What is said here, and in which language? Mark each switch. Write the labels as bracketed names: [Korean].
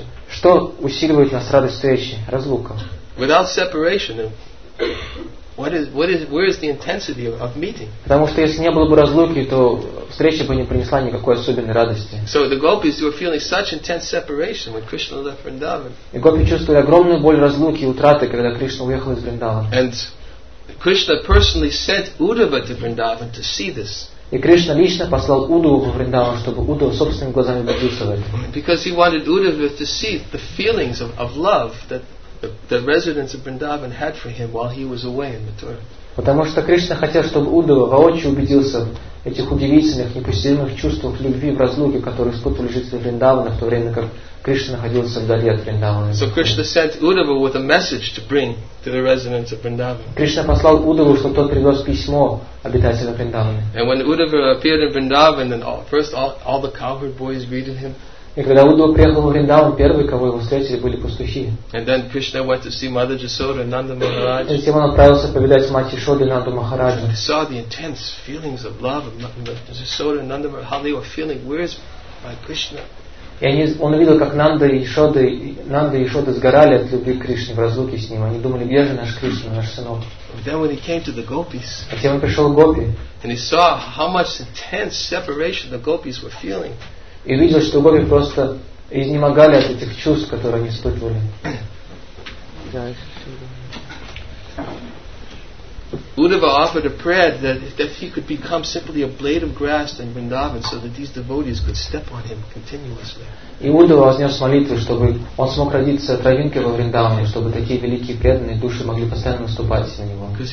[Russian] Что усиливает нас радость встречи? Разлука. [English] Without separation, where is the intensity of meeting? [Russian] Потому что если не было бы разлуки, то встреча бы не принесла никакой особенной радости. [English] So the gopis were feeling such intense separation when Krishna left Vrindavan. [Russian] И гопи чувствовали огромную боль разлуки и утраты, когда Кришна уехал из Вриндавана. [English] And Krishna personally sent Uddhava to Vrindavan to see this. [Russian] И Кришна лично послал Удову в Вриндаван, чтобы Удова собственными глазами увидел это. [English] Because he wanted Uddhava to see the feelings of love that the residents of Vrindavan had for him while he was away in Mathura. [Russian] Потому что Кришна хотел, чтобы Удова воочию убедился в этих удивительных, непостижимых чувствах любви в разлуке, которые испытывали жители Вриндавана, в то время как Кришна находился вдали от Вриндавана. [English] So Krishna sent Uddhava with a message to bring to the residents of Vrindavan. [Russian] Кришна послал Удову, чтобы тот принес письмо обитателям Вриндавана. [English] And when Uddhava appeared in Vrindavan, then first all the cowherd boys greeted him. [Russian] И когда Удва приехал в Вриндаван, первые, кого его встретили, были пастухи. [English] And then Krishna went to see Mother Jasoda and Nanda Maharaj. [Russian] И затем он отправился повидать мать Ясоды и Нанду Махараджу. [English] He saw the intense feelings of love of Jasoda and Nanda Maharaj, how they were feeling. Where is my Krishna? [Russian] И он увидел, как Нанда и Ясода сгорали от любви к Кришне в разлуке с ним. Они думали, где же наш Кришна, наш сынок? [English] But then when he came to the gopis, [Russian] затем он пришел к гопи. [English] And he saw how much intense separation the gopis were feeling. [Russian] И видел, что гопи просто изнемогали от этих чувств, которые они испытывали. [English] Uddhava offered a prayer that he could become simply a blade of grass in Vrindavan so that these devotees could step on him continuously. [Russian] И Уддхава вознес молитву, чтобы он смог родиться травинкой во Вриндаване, чтобы такие великие преданные души могли постоянно наступать на него.